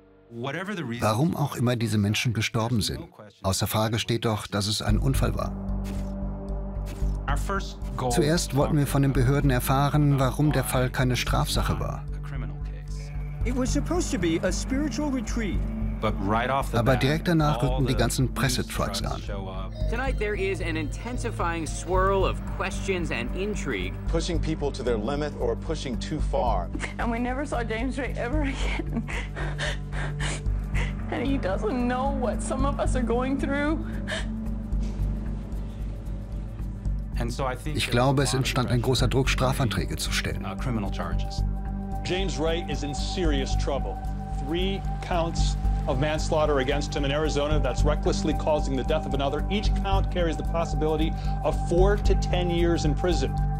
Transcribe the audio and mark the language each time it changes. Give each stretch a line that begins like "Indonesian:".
German: Warum auch immer diese Menschen gestorben sind, außer Frage steht doch, dass es ein Unfall war. Zuerst wollten wir von den Behörden erfahren, warum der Fall keine Strafsache war. Aber direkt danach rückten die ganzen Pressetrucks an.
English: Tonight there is an intensifying swirl of questions and intrigue. Pushing people to their limit or pushing too far. And we never saw James Ray ever again. And he doesn't know what some of us are going through.
German: Ich glaube, es entstand ein großer Druck, Strafanträge zu stellen.
English: James Ray is in serious trouble. 3 counts of manslaughter against him in Arizona, that's recklessly causing the death of another. Each count carries the possibility of 4 to 10 years in prison.